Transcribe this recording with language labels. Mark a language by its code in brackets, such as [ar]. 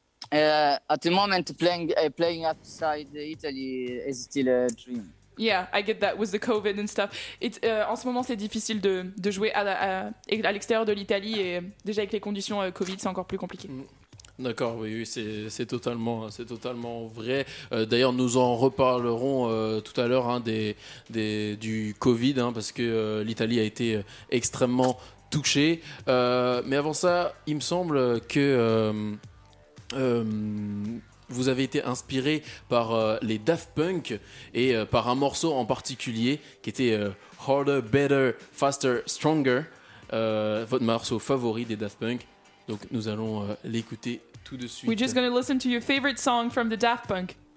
[en] At the moment, playing outside Italy is still a dream. Yeah, I get that with the COVID and stuff. [fr] En ce moment, c'est difficile de jouer à l'extérieur de l'Italie et déjà avec les conditions COVID, c'est encore plus compliqué. D'accord, oui, c'est totalement vrai. D'ailleurs, nous en reparlerons tout à l'heure hein, du Covid, hein, parce que l'Italie a été extrêmement touchée. Mais avant ça, il me semble que vous avez été inspiré par les Daft Punk et par un morceau en particulier qui était « Harder, Better, Faster, Stronger », votre morceau favori des Daft Punk. Donc nous allons l'écouter tout de suite. [en] We're just going to listen to your favorite song from the Daft Punk.